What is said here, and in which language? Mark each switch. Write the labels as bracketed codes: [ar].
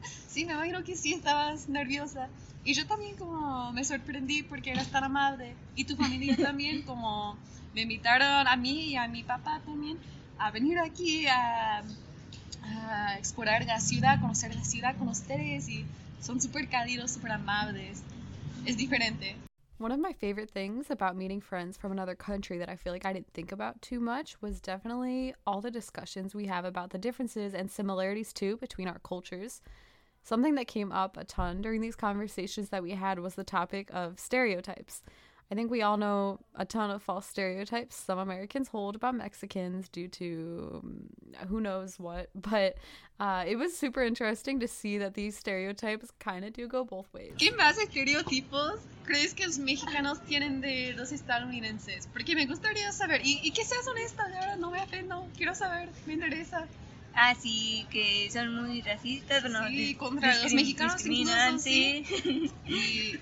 [es] Sí, me imagino que sí estabas nerviosa. Y yo también como me sorprendí porque eras tan amable. Y tu familia también como me invitaron a mí y a mi papá también a venir aquí a explorar la ciudad, conocer la ciudad con ustedes. Y son súper cálidos, súper amables. Es diferente. [en] One of my favorite things about meeting friends from another country that I feel like I didn't think about too much was definitely all the discussions we have about the differences and similarities too between our cultures. Something that came up a ton during these conversations that we had was the topic of stereotypes. I think we all know a ton of false stereotypes some Americans hold about Mexicans due to who knows what, but it was super interesting to see that these stereotypes kind of do go both ways. [es] ¿Qué más estereotipos crees que los mexicanos tienen de los estadounidenses? Porque me gustaría saber, y que seas honesta, de verdad, no me ofendo, quiero saber, me interesa. Ah, sí, que son muy racistas, bueno, sí, contra los mexicanos discriminantes. Incluso, sí.